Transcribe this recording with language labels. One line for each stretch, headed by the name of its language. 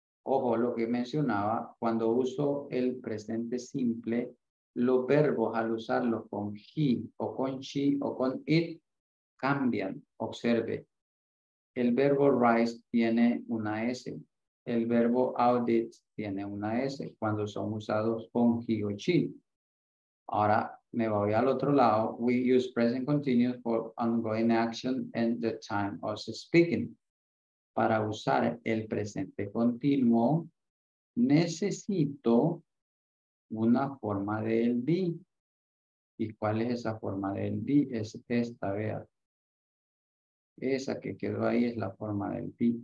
Spanish: Ojo, lo que mencionaba, cuando uso el presente simple, los verbos al usarlo con he o con she o con it cambian. Observe. El verbo rise tiene una S. El verbo audit tiene una S cuando son usados con he o she. Ahora me voy al otro lado.
English: We use present continuous for ongoing action and the time of speaking.
Spanish: Para usar el presente continuo, necesito una forma del be. ¿Y cuál es esa forma del be? Es esta, vea. Esa que quedó ahí es la forma del be.